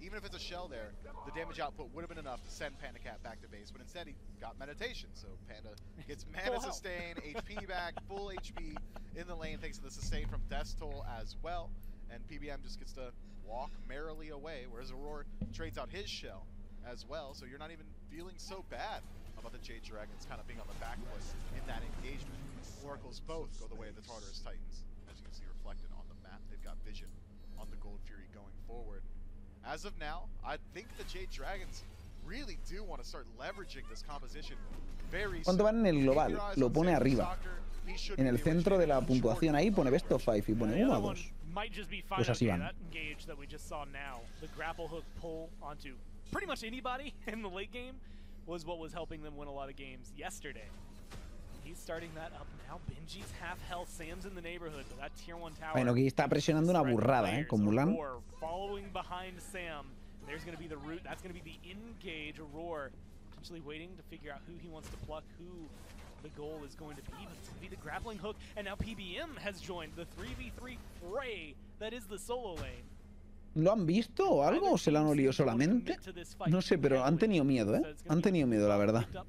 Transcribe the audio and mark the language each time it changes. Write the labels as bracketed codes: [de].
[en] Even if it's a shell there, the damage output would have been enough to send Panda Cat back to base, but instead he got meditation, so Panda gets mana sustain, HP back, full HP in the lane thanks to the sustain from Death Toll as well, and PBM just gets to walk merrily away, whereas Aurora trades out his shell as well, so you're not even feeling so bad about the Jade Dragons kind of being on the back foot in that engagement. Oracles both go the way of the Tartarus Titans, as you can see reflected on the map. They've got Vision on the Gold Fury going forward. As of now, I think the Jade Dragons really do want to start leveraging this composition very soon. [es] ¿Cuánto van en el global? Lo pone arriba. En el centro de la puntuación ahí pone best of 5 y pone 1 a 2. Pues así van. [en] That engage that we just saw now, the grapple hook pull onto pretty much anybody in the late game was what was helping them win a lot of games yesterday. He's starting that up now. Benji's half health. Sam's in the neighborhood, but that tier 1 tower. [es] Bueno, aquí está presionando una burrada, con Mulan. [en] Following behind Sam. There's going to be the root. That's going to be the engage. Aurora potentially waiting to figure out who he wants to pluck, who the goal is going to be. But it's going to be the grappling hook. And now PBM has joined the 3v3 fray that is the solo lane. [es] ¿Lo han visto o algo? ¿O se lo han olido solamente? No sé, pero han tenido miedo, ¿eh? Han tenido miedo, la verdad.